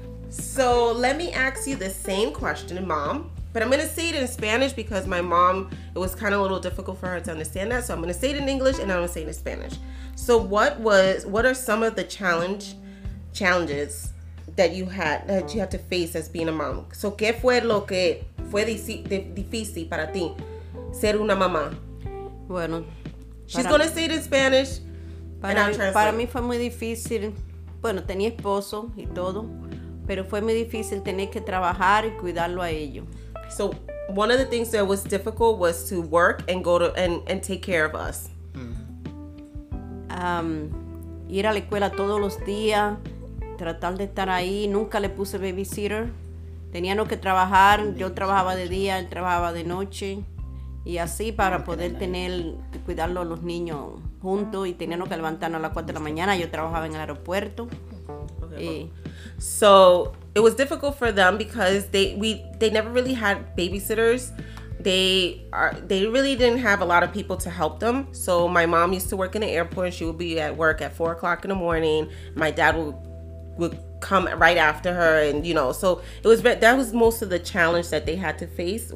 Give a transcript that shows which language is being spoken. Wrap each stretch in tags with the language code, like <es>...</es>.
<en>So let me ask you the same question, Mom, but I'm going to say it in Spanish because my mom, it was kind of a little difficult for her to understand that. So I'm going to say it in English and I'm going to say it in Spanish. So what are some of the challenges that you had to face as being a mom?</en> <es>So ¿qué fue lo que fue difícil para ti ser una mamá? Bueno.</es> <en>She's going to say it in Spanish.</en> <es>Para mí fue muy difícil. Bueno, tenía esposo y todo. Pero fue muy difícil tener que trabajar y cuidarlo a ellos.</es> <en>So one of the things that was difficult was to work and go to and take care of us. Mm-hmm.</en> <es>Ir a la escuela todos los días, tratar de estar ahí. Nunca le puse babysitter. Teníamos que trabajar. Yo trabajaba de día, él trabajaba de noche. Y así para poder tener, cuidarlo a los niños juntos. Y teníamos que levantarnos a las 4 de la mañana. Yo trabajaba en el aeropuerto.</es> <en>Okay, so it was difficult for them because they never really had babysitters. They really didn't have a lot of people to help them. So my mom used to work in the airport. And she would be at work at 4 o'clock in the morning. My dad would come right after her, and you know, so it was that was most of the challenge that they had to face.</en>